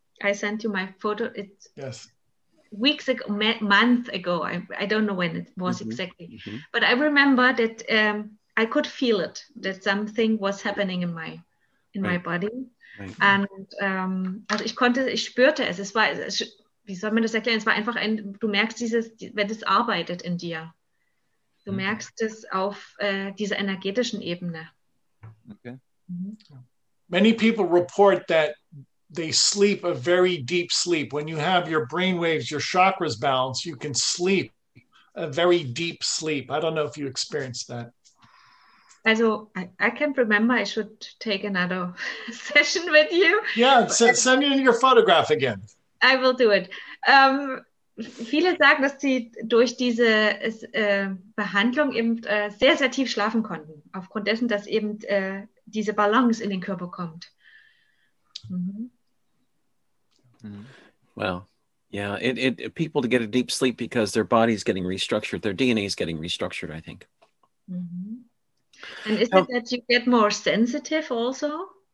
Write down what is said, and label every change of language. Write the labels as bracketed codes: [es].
[en] I sent you my photo. It's yes. Weeks ago, month ago. I don't know when it was mm-hmm. exactly. Mm-hmm. But I remember that I could feel it, that something was happening in my body. Right. And [de] also ich spürte es. Wie soll man das erklären? Es war einfach ein, du merkst dieses, wenn es arbeitet in dir. Du merkst es auf dieser energetischen Ebene. [en] Okay. Many people report that they sleep a very deep sleep. When you have your brainwaves, your chakras balanced, you can sleep a very deep sleep. I don't know if you experienced that. Also, I can't remember. I should take another session with you. Yeah, send in your photograph again. I will do it. [de] Viele sagen, dass sie durch diese Behandlung eben sehr, sehr tief schlafen konnten, aufgrund dessen, dass eben diese Balance in den Körper kommt. [en] Mhm. Well, yeah, it people to get a deep sleep because their body is getting restructured, their DNA is getting restructured, I think. Mhm. And is it that you get more sensitive also?